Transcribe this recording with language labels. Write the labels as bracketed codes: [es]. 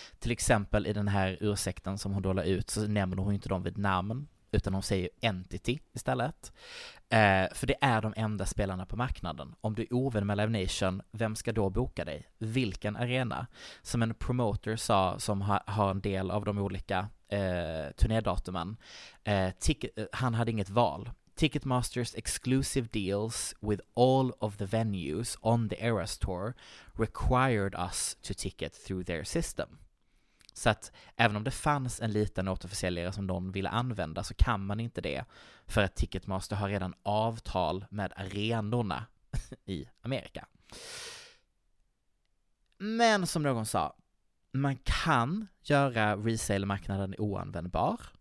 [sv] Till exempel i den här ursäkten som hon dollar ut, så nämner hon inte dem vid namn, utan hon säger entity istället. För det är de enda spelarna på marknaden. Om du är ovän med Live Nation, vem ska då boka dig? Vilken arena? Som en promoter sa, som har en del av de olika turnédatumen. Han hade inget val. [en] Ticketmaster's exclusive deals with all of the venues on the Eras Tour required us to ticket through their system. [sv] Så att även om det fanns en liten återförsäljare som någon ville använda, så kan man inte det, för att Ticketmaster har redan avtal med arenorna i Amerika. Men som någon sa, man kan göra resale-marknaden oanvändbar.